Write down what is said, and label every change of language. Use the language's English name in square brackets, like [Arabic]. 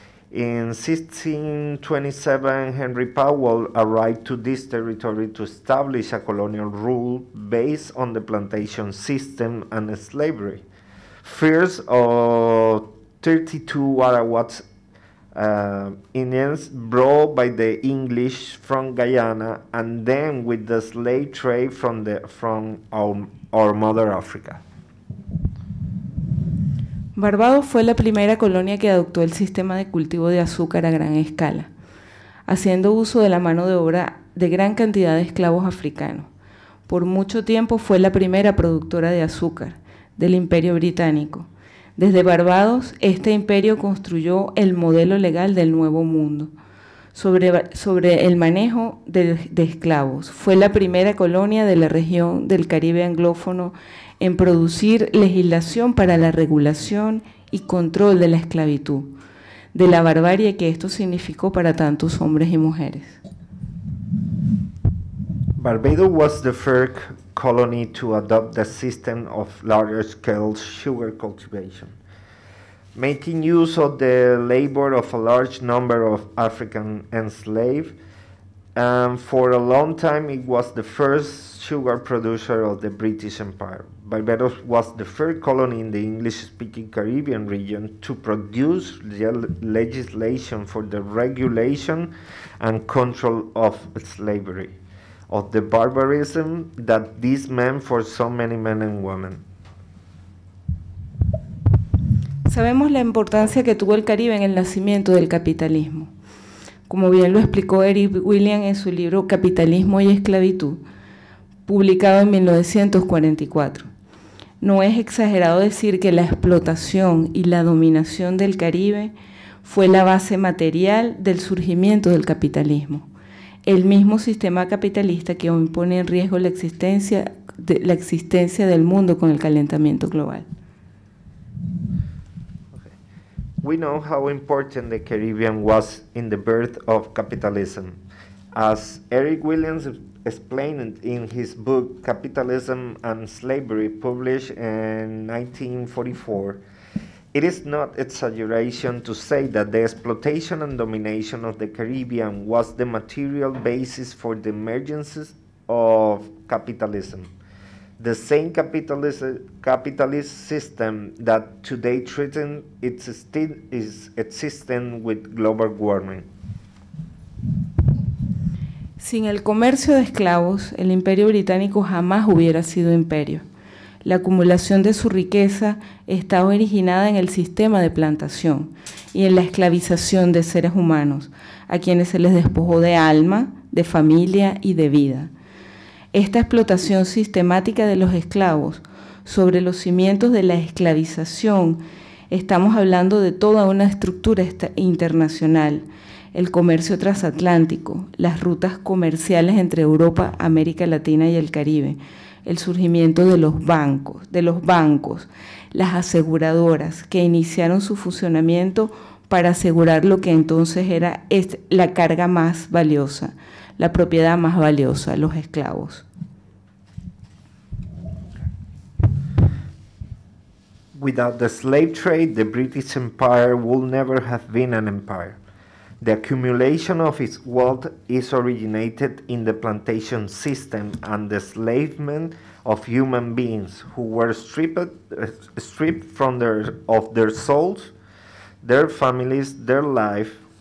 [English] In 1627, Henry Powell arrived to this territory to establish a colonial rule based on the plantation system and slavery. First of 32 Arawak Indians brought by the English from Guyana, and then with the slave trade from our mother Africa. [Spanish] Barbados fue la primera colonia que adoptó el sistema de cultivo de azúcar a gran escala, haciendo uso de la mano de obra de gran cantidad de esclavos africanos. Por mucho tiempo fue la primera productora de azúcar del Imperio Británico. Desde Barbados, este imperio construyó el modelo legal del Nuevo Mundo sobre el manejo de esclavos. Fue la primera colonia de la región del Caribe anglófono en producir legislación para la regulación y control de la esclavitud, de la barbarie que esto significó para tantos hombres y mujeres. [English] Barbados was the first colony to adopt the system of large-scale sugar cultivation, making use of the labor of a large number of African enslaved. For a long time, it was the first sugar producer of the British Empire. Barbados was the first colony in the English-speaking Caribbean region to produce legislation for the regulation and control of slavery, of the barbarism that this meant for so many men and women. [Spanish] Sabemos la importancia que tuvo el Caribe en el nacimiento del capitalismo. Como bien lo explicó Eric William en su libro Capitalismo y Esclavitud, publicado en 1944. No es exagerado decir que la explotación y la dominación del Caribe fue la base material del surgimiento del capitalismo, el mismo sistema capitalista que hoy pone en riesgo la existencia del mundo con el calentamiento global. [English] We know how important the Caribbean was in the birth of capitalism. As Eric Williams explained in his book Capitalism and Slavery, published in 1944, it is not exaggeration to say that the exploitation and domination of the Caribbean was the material basis for the emergence of capitalism. The same capitalist system that today threatens its existence with global warming. [Spanish] Sin el comercio de esclavos, el Imperio Británico jamás hubiera sido imperio. La acumulación de su riqueza estaba originada en el sistema de plantación y en la esclavización de seres humanos, a quienes se les despojó de alma, de familia y de vida. Esta explotación sistemática de los esclavos sobre los cimientos de la esclavización, estamos hablando de toda una estructura internacional, el comercio transatlántico, las rutas comerciales entre Europa, América Latina y el Caribe, el surgimiento de los bancos, las aseguradoras que iniciaron su funcionamiento para asegurar lo que entonces era la carga más valiosa, la propiedad más valiosa, los esclavos. [English] Without the slave trade, the British Empire would never have been an empire. The accumulation of its wealth is originated in the plantation system and the enslavement of human beings who were stripped from their souls, their families, their life.